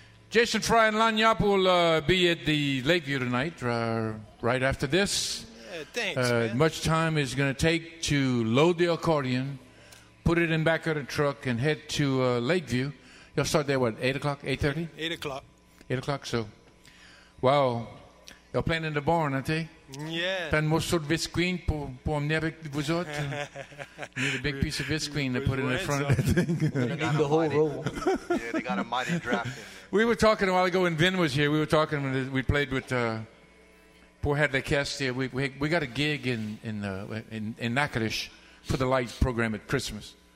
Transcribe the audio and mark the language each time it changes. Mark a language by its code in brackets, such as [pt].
[en] Jason Fry and Lan Yap will be at the Lakeview tonight, right after this. Thanks, man. Much time is going to take to load the accordion, put it in back of the truck, and head to Lakeview. You'll start there, what, 8 o'clock, 8:30? 8 o'clock. 8 o'clock, so. Wow. [fr] Il y a plein de bornes, hein, tu sais? [en] Yeah. [fr] Plein de morceaux de Visqueen pour emmener avec vous autres. [en] You need a big piece of Visqueen to put in the front of the thing. You need the whole roll. Yeah, they got a mighty draft in. We were talking a while ago when Vin was here. We were talking when we played with poor Hadley Castier. We got a gig in Natchitoches for the light program at Christmas.